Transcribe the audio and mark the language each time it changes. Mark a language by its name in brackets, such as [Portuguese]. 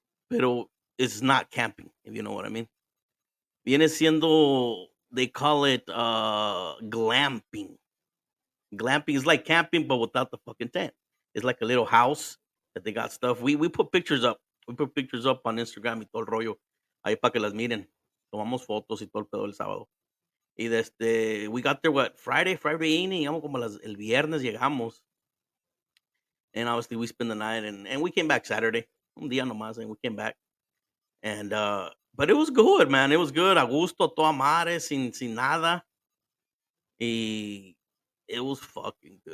[English] Pero it's not camping, if you know what I mean. [Spanish] Viene siendo, [English] they call it glamping. Glamping is like camping, but without the fucking tent. It's like a little house that they got stuff. We put pictures up. We put pictures up on Instagram [Spanish] y todo el rollo. Ahí para que las miren. Tomamos fotos y todo el pedo el sábado. Y desde, [English] we got there, what, Friday evening. [Spanish] Llegamos como las, el viernes llegamos. [English] And obviously we spend the night and we came back Saturday. [Spanish] Un día nomás, [English] and we came back. And, but it was good, man. It was good. [Spanish] A gusto, toda madre, sin nada. Y [English] it was fucking good.